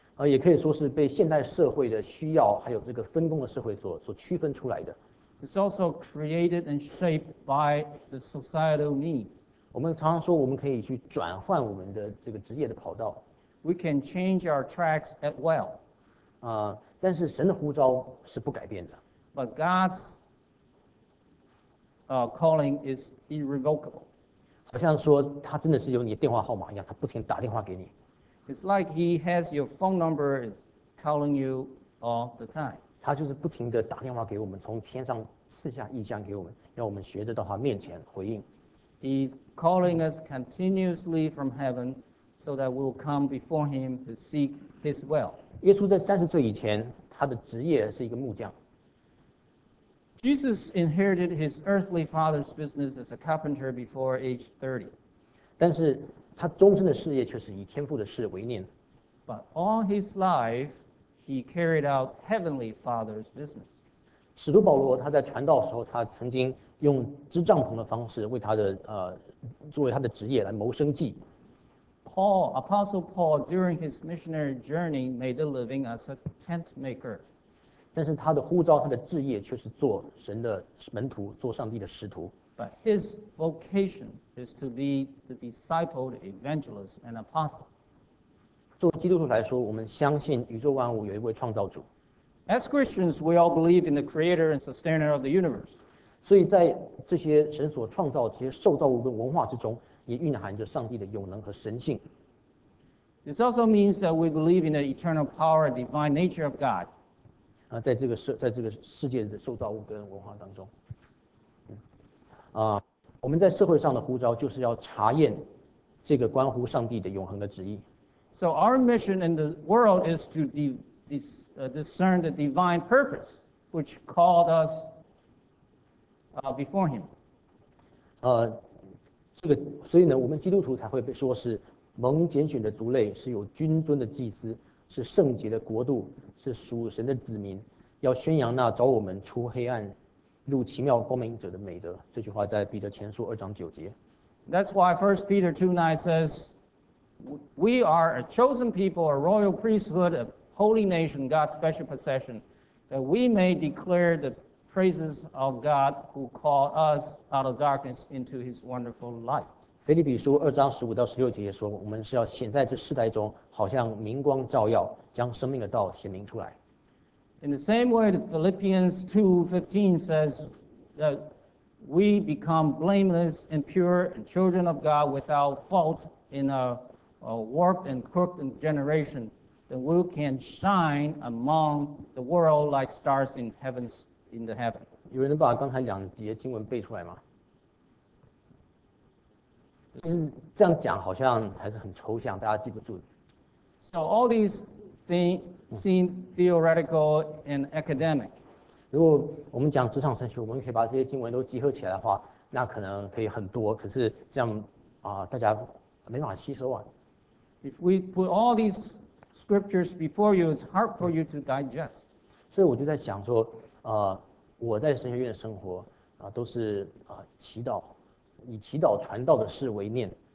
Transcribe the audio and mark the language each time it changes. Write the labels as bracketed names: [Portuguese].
[Chinese] 也可以说是被现代社会的需要，还有这个分工的社会所区分出来的。 [English] It's also created and shaped by the societal needs. [Chinese] 我们常常说，我们可以去转换我们的这个职业的跑道。 [English] We can change our tracks at will. [Chinese] 但是神的呼召是不改变的。 [English] But God's calling is irrevocable. [Chinese] 好像说他真的是有你的电话号码一样，他不停打电话给你。 [English] It's like he has your phone number calling you all the time. [Chinese] 他就是不停地打电话给我们，从天上赐下异象给我们，让我们学着到他面前回应。 [English] He's calling us continuously from heaven so that we'll come before him to seek his will. [Chinese] 耶稣在三十岁以前，他的职业是一个木匠。 [English] Jesus inherited his earthly father's business as a carpenter before age 30. [Chinese] 但是他终身的事业却是以天父的事为念。 [English] But all his life, he carried out heavenly father's business. [Chinese] 使徒保罗他在传道的时候，他曾经用支帐篷的方式为他的作为他的职业来谋生计。 [English] Paul, Apostle Paul, during his missionary journey, made a living as a tent maker. [Chinese] 但是他的呼召，他的志业却是做神的门徒，做上帝的使徒。 [English] But his vocation is to be the disciple, the evangelist, and apostle. [Chinese] 做基督徒来说，我们相信宇宙万物有一位创造主。 [English] As Christians, we all believe in the creator and sustainer of the universe. [Chinese] 所以在这些神所创造、这些受造物跟文化之中，也蕴含着上帝的永能和神性。 [English] This also means that we believe in the eternal power and divine nature of God. [Chinese] 在这个世界的受造物跟文化当中，我们在社会上的呼召就是要查验这个关乎上帝的永恒的旨意。 [English] So our mission in the world is to discern the divine purpose which called us before Him. [Chinese] 这个所以呢，我们基督徒才会被说是蒙拣选的族类，是有君尊的祭司，是圣洁的国度，是属神的子民。要宣扬那找我们出黑暗入奇妙光明者的美德，这句话在彼得前书二章九节。 [English] That's why 1 Peter 2:9 says, "We are a chosen people, a royal priesthood, a holy nation, God's special possession, that we may declare the praises of God who called us out of darkness into His wonderful light." [Chinese] 腓立比书二章十五到十六节也说，我们是要显在这世代中，好像明光照耀，将生命的道显明出来。 [English] In the same way, Philippians 2:15 says that we become blameless and pure and children of God without fault in a warped and crooked generation, then we can shine among the world like stars in heavens in the heaven. [Chinese] 有人能把刚才两节经文背出来吗？就是这样讲好像还是很抽象, 大家记不住。 [English] So all these things seem theoretical and academic. [Chinese] 如果我们讲职场神学, 我们可以把这些经文都集合起来的话, 那可能可以很多, 可是这样, 大家没办法吸收啊。 [English] If we put all these scriptures before you, it's hard for you to digest. [Chinese] 所以我就在想说, 我在神学院的生活, 都是, 祈祷, 以祈祷传道的事为念。